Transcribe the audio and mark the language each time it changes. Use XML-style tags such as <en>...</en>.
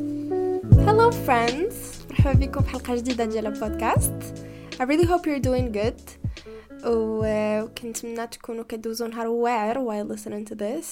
<ar>مرحبا بكم في حلقة جديدة ديال البودكاست.</ar> <en>I really hope you're doing good.</en> <ar>وكنتمنى تكونوا كدوزوا نهار واعر</ar> <en>while listening to this.</en>